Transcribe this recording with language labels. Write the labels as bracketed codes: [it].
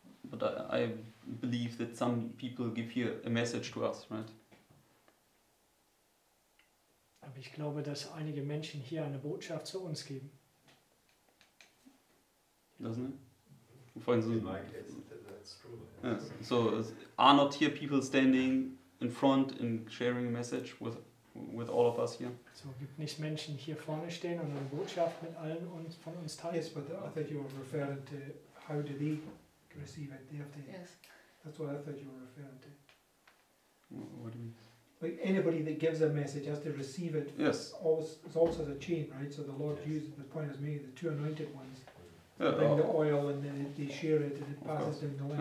[en] But I believe that some people give here a message to us, right? [de] Aber ich glaube, dass einige Menschen hier eine Botschaft zu uns geben. [en] Doesn't it? For instance, that's true. Yes. So are not here people standing in front and sharing a message with all of us here? [de] So gibt nicht Menschen hier vorne stehen und eine Botschaft mit allen uns von uns teilen? [en] Yes, but I thought you were referring to how do they receive it. They have to. Yes. That's what I thought you were referring to. What do you mean? Like anybody that gives a message has to receive it. Yes. It's also the chain, right? So the Lord uses, the point is made, the two anointed ones bring the oil and then they share it and it passes down the line,